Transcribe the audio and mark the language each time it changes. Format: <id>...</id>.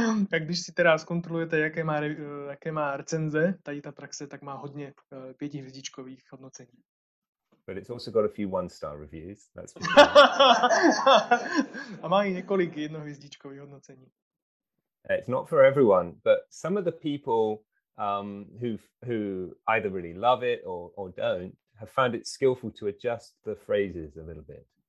<cs>Tak když si teda zkontrolujete, jaké má recenze tady ta praxe, tak má hodně 5-hvězdičkových hodnocení.</cs> <en>But it's also got a few 1-star reviews. That's pretty cool.</en> <cs>A má i několik 1-hvězdičkových hodnocení.</cs> <en>It's not for everyone, but some of the people who either really love it or don't have found it skillful to adjust the phrases a little bit.</en>